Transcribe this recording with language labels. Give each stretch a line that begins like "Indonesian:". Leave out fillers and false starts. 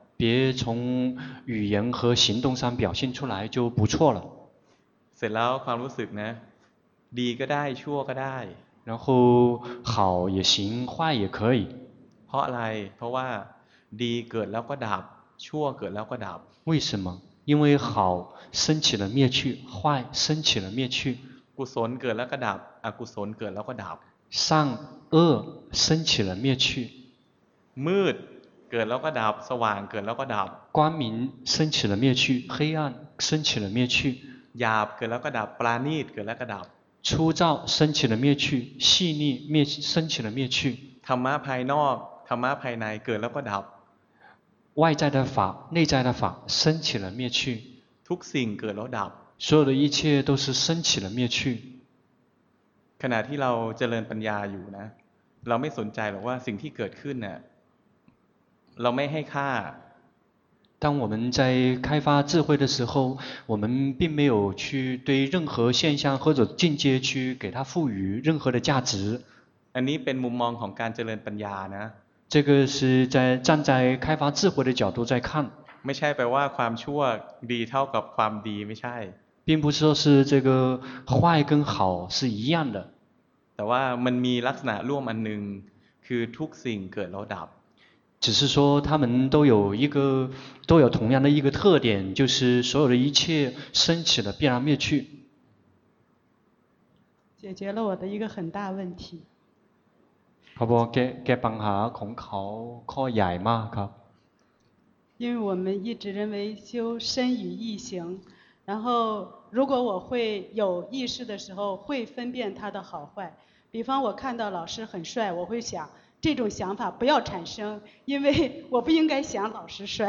Chinese: 别从语言和行动上表现出来就不错了
Thai: เสร็จแล้วความรู้สึกนะดีก็ได้ชั่วก็ได้
Chinese: 然后好也行坏也可以
Thai: เพราะอะไรเพราะว่าดีเกิดแล้วก็ดับชั่วเกิดแล้วก็ดับ
Chinese: 为什么因为好升起了灭去坏升起了灭去
Thai: กุศลเกิดแล้วก็ดับอกุศลเกิดแล้วก็ดับ
Chinese: 善恶升起了灭去
Thai: มืดเกิดแล้วก็ดับสว่างเกิดแล้วก็ดับ
Chinese: 光明升起了灭去黑暗升起了灭去
Thai: หยาบเกิดแล้วก็ดับปราณีตเกิดแล้วก็ดับ
Chinese: 粗糙升起了灭去细腻灭升起了灭去
Thai: ธรรมะภายนอกธรรมะภายในเกิดแล้วก็ดับ
Chinese: 外在的法内在的法升起了灭去
Thai: ทุกสิ่งเกิดแล้วดับ
Chinese: 所有的一切都是升起了灭去
Thai: ขณะที่เราเจริญปัญญาอยู่นะเราไม่สนใจหรอกว่าสิ่งที่เกิดขึ้นเนี่ยเราไม่ให้ค่า
Chinese: 当我们在开发智慧的时候我们并没有去对任何现象或者境界去给它赋予任何的价值
Thai: อันนี้เป็นมุมมองของการเจริญปัญญานะ
Chinese: 这个是在站在开发智慧的角度在看
Thai: ไม่ใช่แปลว่าความชั่วดีเท่ากับความดีไม่ใช่
Chinese: 并不是说是这个坏跟好是一样的
Thai: แต่ว่ามันมีลักษณะร่วมอันหนึ่งคือทุกสิ่งเกิดแล้วดับ
Chinese: 只是说他们都有同样的一个特点就是所有的一切升起了必然灭去解决了我的一个很大问题
Thai: พอแกปัญหาของเขาข้อใหญ่มากครับ
Chinese: 因为我们一直认为修身与意行然后如果我会有意识的时候会分辨它的好坏比方我看到老师很帅我会想这种想法不要产生因为我不应该想老师帅